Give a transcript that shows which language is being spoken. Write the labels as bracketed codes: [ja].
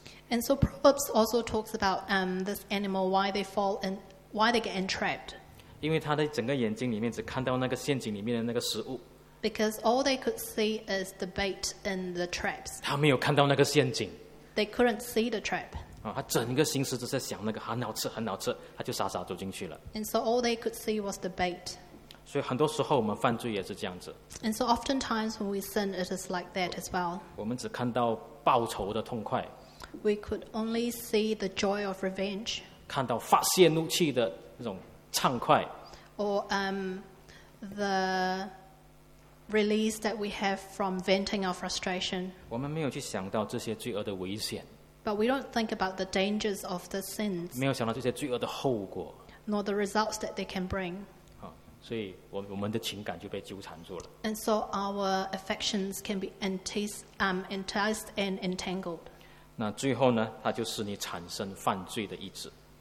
[en] ？And so Proverbs also talks about this animal why they get entrapped. [zh] 因为他的整个眼睛里面只看到那个陷阱里面的那个食物。 [en] Because all they could see is the bait in the traps. [zh] 他没有看到那个陷阱。 [en] They couldn't see the trap. [zh] 他整个心思都在想那个很好吃很好吃，他就傻傻走进去了。 [en] And so all they could see was the bait. [zh] 所以很多时候我们犯罪也是这样子。 [en] And so oftentimes when we sin, it is like that as well. [zh] 我们只看到报仇的痛快。 [en] We could only see the joy of revenge. [zh] 看到发泄怒气的那种畅快。 [en] Or the release that we have from venting our frustration. [zh] 我们没有去想到这些罪恶的危险。 [en] But we don't think about the dangers of the sins. [zh] 没有想到这些罪恶的后果。 [en] Nor the results that they can bring. [zh] 所以我们的情感就被纠缠住了。 [en] And so our affections can be enticed and entangled. [zh] 那最后呢，它就使你产生犯罪的意志。